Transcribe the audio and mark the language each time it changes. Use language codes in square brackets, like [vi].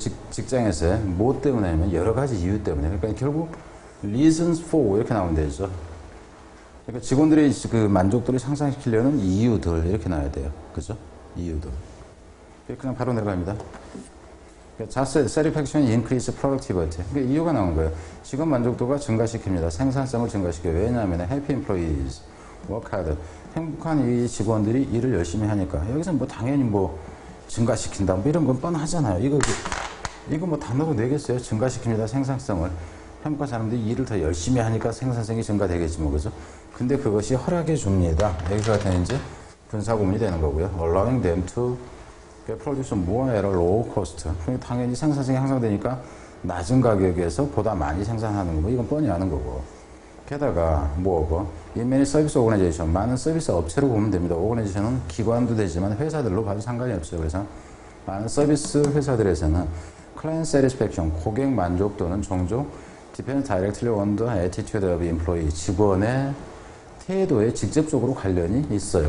[ko] 직장에서 뭐 때문에냐면 여러 가지 이유 때문에. 그러니까 결국 reasons for 이렇게 나오면 되죠. 그러니까 직원들의 그 만족도를 향상시키려는 이유들 이렇게 나와야 돼요. 그죠? 이유들. 그냥 바로 내려갑니다. [en] Satisfaction increase productivity. [ko] 그게 이유가 나온 거예요. 직원 만족도가 증가시킵니다. 생산성을 증가시켜요. 왜냐하면 [en] happy employees work hard. [ko] 행복한 이 직원들이 일을 열심히 하니까. 여기서 뭐 당연히 뭐 증가시킨다. 뭐 이런 건 뻔하잖아요. 이거 뭐 단어로 내겠어요. 증가시킵니다. 생산성을. 행복한 사람들이 일을 더 열심히 하니까 생산성이 증가되겠지 뭐. 그죠? 근데 그것이 허락해 줍니다. 여기서 같은 이제 분사구문이 되는 거고요. [en] Allowing them to produce more at a low cost. [ko] 당연히 생산성이 향상되니까 낮은 가격에서 보다 많이 생산하는 거고 이건 뻔히 아는 거고. 게다가 뭐고? [en] In many service organizations, [ko] 많은 서비스 업체로 보면 됩니다. Organization은 기관도 되지만 회사들로 봐도 상관이 없어요. 그래서 많은 서비스 회사들에서는 [en] client satisfaction, [ko] 고객 만족도는 종종 [en] depends directly on the attitude of employee, [ko] 직원의 태도에 직접적으로 관련이 있어요.